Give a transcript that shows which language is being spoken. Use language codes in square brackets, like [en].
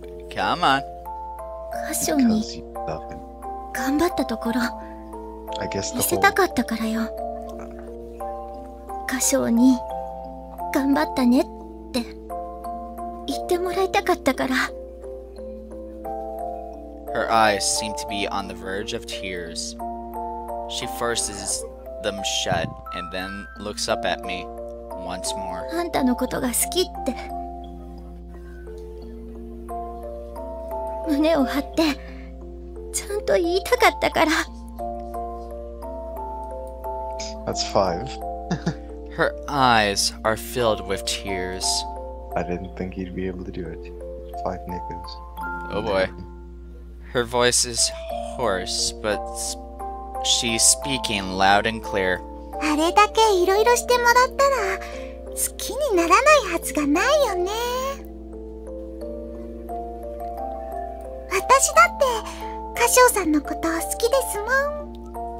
[en] Come on. [ja] カショに頑張ったところ見せたかったからよカショに頑張ったねって言ってもらいたかったから [en] Her eyes seem to be on the verge of tears. She forces them shut and then looks up at me once more. [ja] あんたのことが好きって胸を張って、ちゃんと言いたかったから。 [en] That's five. Her eyes are filled with tears. I didn't think he'd be able to do it. Five nickels. Oh boy. Her voice is hoarse, but she's speaking loud and clear. [ja] あれだけいろいろしてもらったら、好きにならないはずがないよね。私だって、カショウさんのこと好きですもん。